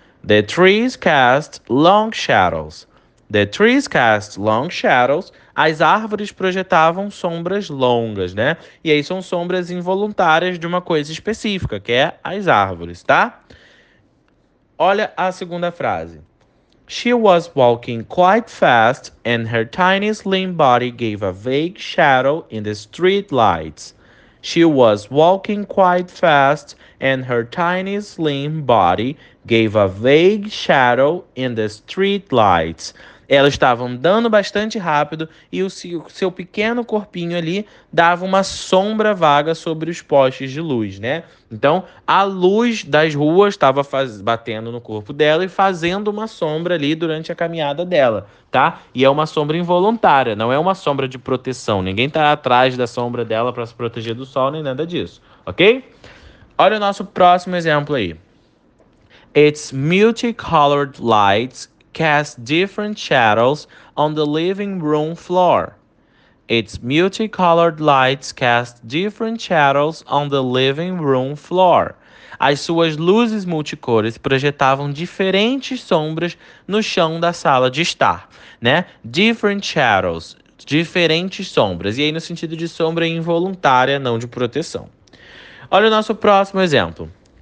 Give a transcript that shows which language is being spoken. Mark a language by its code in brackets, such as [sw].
[en] The trees cast long shadows. The trees cast long shadows. [pt] As árvores projetavam sombras longas, né? E aí são sombras involuntárias de uma coisa específica, que é as árvores, tá? Olha a segunda frase. She was walking quite fast and her tiny slim body gave a vague shadow in the street lights. She was walking quite fast and her tiny slim body gave a vague shadow in the street lights. Ela estava andando bastante rápido e o seu pequeno corpinho ali dava uma sombra vaga sobre os postes de luz, né? Então, a luz das ruas estava batendo no corpo dela e fazendo uma sombra ali durante a caminhada dela, tá? E é uma sombra involuntária, não é uma sombra de proteção. Ninguém está atrás da sombra dela para se proteger do sol nem nada disso, ok? Olha o nosso próximo exemplo aí. [en] It's multicolored lights cast different shadows on the living room floor. It's multicolored lights cast different shadows on the living room floor. [pt] As suas luzes multicores projetavam diferentes sombras no chão da sala de estar, né? [en] Different shadows, [pt] diferentes sombras. E aí, no sentido de sombra involuntária, não de proteção. Olha o nosso próximo exemplo.